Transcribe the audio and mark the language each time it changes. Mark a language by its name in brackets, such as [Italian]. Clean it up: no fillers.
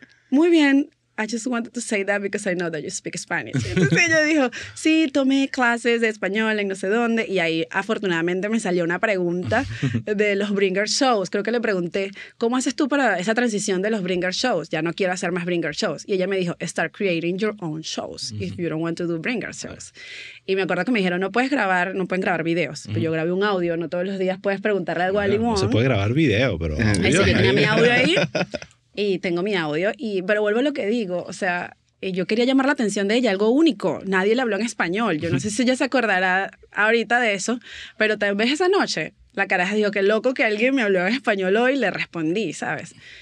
[Spanish] Muy bien, [English] I just wanted to say that because I know that you speak Spanish. [Spanish] Entonces ella dijo, sí, tomé clases de español en no sé dónde. Y ahí afortunadamente me salió una pregunta de los Bringer Shows. Creo que le pregunté, ¿cómo haces tú para esa transición de los Bringer Shows? Ya no quiero hacer más Bringer Shows. Y ella me dijo, [English] start creating your own shows if you don't want to do Bringer Shows. [Spanish] Y me acuerdo que me dijeron, no pueden grabar videos. Uh-huh. Pero yo grabé un audio, no todos los días puedes preguntarle algo a Ali Wong. No se puede grabar video, pero... Así que tenía mi audio ahí y tengo mi audio. Pero vuelvo a lo que digo, o sea, yo quería llamar la atención de ella, algo único. Nadie le habló en español. Yo no sé si ella se acordará ahorita de eso, pero tal vez esa noche la caraja dijo, qué loco que alguien me habló en español hoy y le respondí, ¿sabes?